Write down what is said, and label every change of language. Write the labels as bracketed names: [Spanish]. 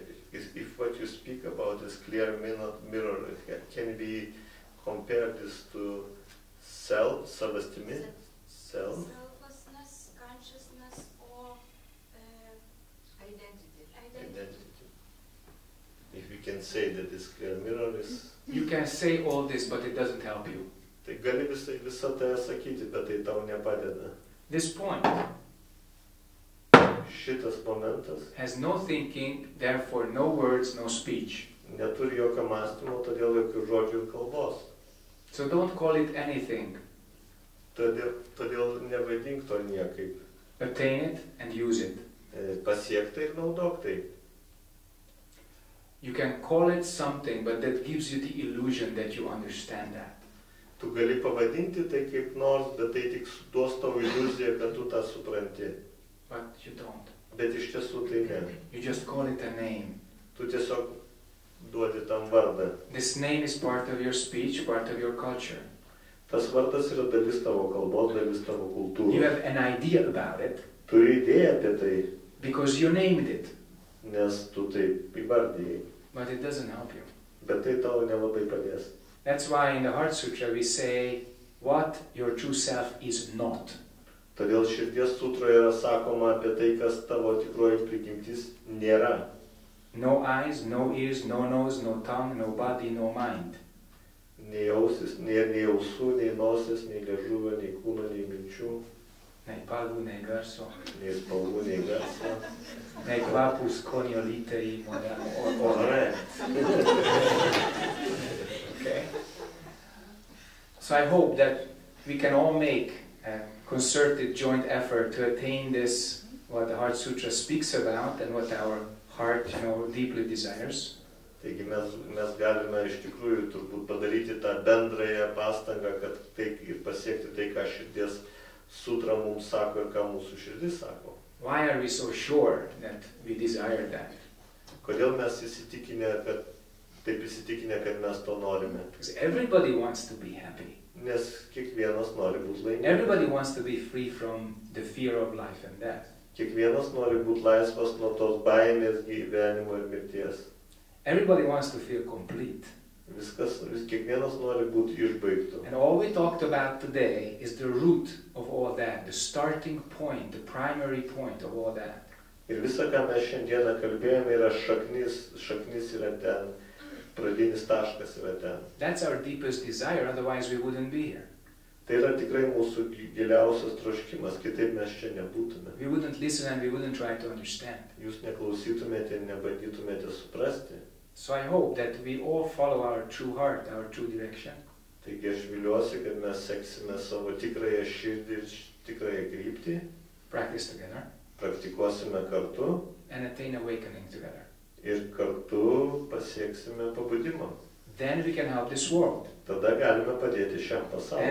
[English] If what you speak about is clear mirror, can we compare this to self, savastimi, self? Selflessness, consciousness, or identity. If we can say that this clear mirror is... You can say all this, but it doesn't help you. [Lithuanian] Tai gali visą tai sakyti, bet tai tau nepadeda. [English] This point. [Lithuanian] Šitas momentas [English] has no thinking, therefore no words, no speech. [Lithuanian] Neturi jokio mąstymo, todėl jokių žodžių ir kalbos. [English] So don't call it anything. [Lithuanian] Todėl nevadink to niekaip. [English] Attain it and use it. [Lithuanian] Pasiek tai ir naudok tai. [English] You can call it something, but that gives you the illusion that you understand that. [Lithuanian] Tu gali pavadinti tai kaip nors, bet tai tik duos tau iliuziją, kad tu tą supranti. [English] But you don't. [Lithuanian] Bet iš tiesų tai ne. [English] You just call it a name. [Lithuanian] Tu tiesiog duodi tam vardą. [English] This name is part of your speech, part of your culture. [Lithuanian] Tas vardas yra dalis tavo kalbos, dalis tavo kultūros. [English] You have an idea about it. [Lithuanian] Turi idėją apie tai. [English] Because you named it. [Lithuanian] Nes tu taip įvardijai. [English] But it doesn't help you. [Lithuanian] Bet tai tau nelabai padės. [English] That's why in the Heart Sutra we say what your true self is not. [Lithuanian] Todėl širdies sutroje yra sakoma apie tai, kas tavo tikroji prigimtis nėra. [English] No eyes, no ears, no nose, no tongue, no body, no mind. [Lithuanian] Nei ausis, nei ausų, nei nosis, nei liežuvio, nei kūno, nei minčių. Nei palų, nei garso. Nei spalvų, nei garso. Nei kvapus, konio, litai, ore. [English] Okay. So I hope that we can all make concerted joint effort to attain this, what the Heart Sutra speaks about and what our heart, you know, deeply desires. [Lithuanian] Taigi mes galime iš tikrųjų turbūt padaryti tą bendrąją pastangą, kad taip ir pasiekti tai, ką širdies sutra mums sako ir ką mūsų širdis sako. [English] Why are we so sure that we desire that? [Lithuanian] Kodėl mes įsitikinę, kad mes to norime? [English] Because everybody wants to be happy. [Lithuanian] Nes kiekvienas nori būti laimingas. [English] Everybody wants to be free from the fear of life and death. [Lithuanian] Kiekvienas nori būti laisvas nuo tos baimės gyvenimo ir mirties. [English] Everybody wants to feel complete. [Lithuanian] Kiekvienas nori būti išbaigtų. [English] And all we talked about today is the root of all that, the starting point, the primary point of all that. [Lithuanian] Ir visa, ką mes šiandieną kalbėjome, yra šaknis yra ten. Pradinis taškas yra ten. [English] That's our deepest desire, otherwise we wouldn't be here. [Lithuanian] Tai yra tikrai mūsų giliausias troškimas, kitaip mes čia nebūtume. [English] We wouldn't listen and we wouldn't try to understand. [Lithuanian] Jūs neklausytumėte ir nebandytumėte suprasti. [English] So I hope that we all follow our true heart, our true direction. [Lithuanian] Taigi aš viliuosi, kad mes seksime savo tikrąją širdį ir tikrąją kryptį. [English] Practice together. [Lithuanian] Praktikuosime kartu. [English] And attain awakening together. [Lithuanian] Ir kartu pasieksime pabudimą. [English] Then we can help this world. [Lithuanian] Tada galime padėti šiam pasauliui.